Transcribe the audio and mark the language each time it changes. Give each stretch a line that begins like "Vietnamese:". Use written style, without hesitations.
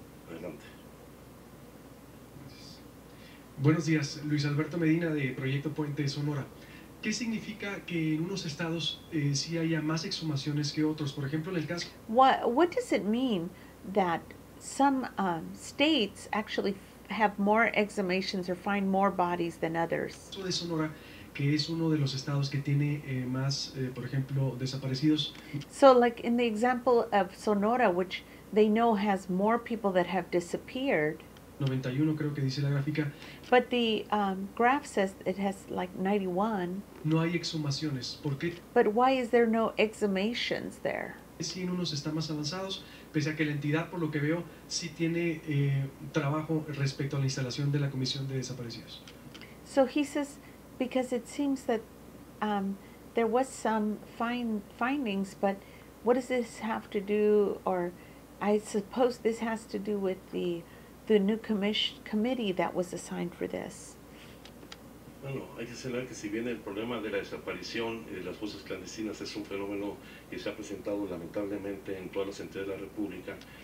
Spanish: Adelante. Buenos días, Luis Alberto Medina de Proyecto Puente de Sonora. ¿Qué significa que en unos estados sí haya más exhumaciones que otros? Por ejemplo, en el caso...
English: What does it mean that some states actually have more exhumations or find more bodies than others?
Spanish: En el caso de Sonora, que es uno de los estados que tiene más, por ejemplo, desaparecidos.
English: So, like in the example of Sonora, which they know has more people that have disappeared.
Spanish: 91, creo que dice la gráfica.
English: But the graph says it has like 91.
Spanish: No hay exhumaciones. ¿Por qué?
English: But why is there no exhumations there?
Spanish: Sí, en unos están más avanzados, pese a que la entidad, por lo que veo, sí tiene trabajo respecto a la instalación de la Comisión de Desaparecidos.
English: So he says, because it seems that there was some findings, but what does this have to do, or I suppose this has to do with the new committee that was assigned for this.
Spanish: Bueno, hay que señalar que si bien el problema de la desaparición y de las fosas clandestinas es un fenómeno que se ha presentado lamentablemente en todas las entidades de la República.